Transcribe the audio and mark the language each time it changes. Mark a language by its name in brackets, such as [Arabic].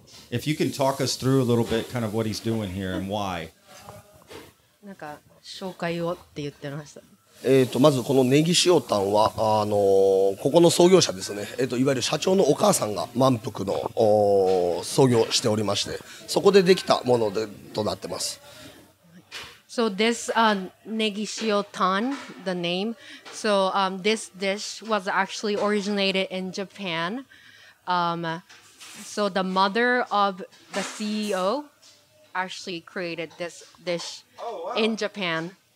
[English] If you can talk us through a little bit, kind of what he's doing here and why. [Japanese] なんか紹介をって言ってました。まずこのネギ塩タンはここの創業者ですね、いわゆる社長のお母さんが満腹の創業しておりまして、そこでできたものでとなってます。 [English] So this ネギ塩タン the name, so this dish was actually originated in Japan. So the mother of the CEO actually created this dish in Japan.